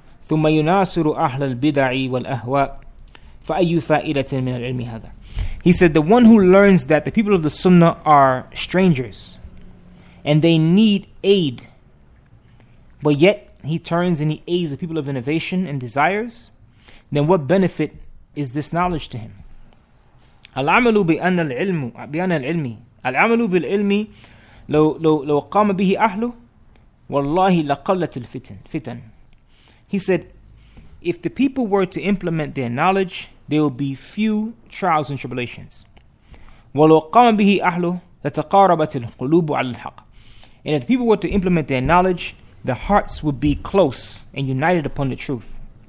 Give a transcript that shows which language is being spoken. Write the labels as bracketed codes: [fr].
[ar] ثم يناصر أهل البدع والأهواء فأي فائدة من العلم هذا. [en] He said, the one who learns that the people of the Sunnah are strangers and they need aid, but yet he turns and he aids the people of innovation and desires, then what benefit is this knowledge to him? [ar] العمل بأن العلم بأن العلم العمل بالعلم لو قام به أهله والله لقلت الفتن. [en] He said, if the people were to implement their knowledge, there will be few trials and tribulations. [ar] وَلَوْ قَامَ بِهِ أَحْلُهُ لَتَقَارَبَتِ الْقُلُوبُ عَلَى الْحَقِّ. [en] And if people were to implement their knowledge, the hearts would be close and united upon the truth.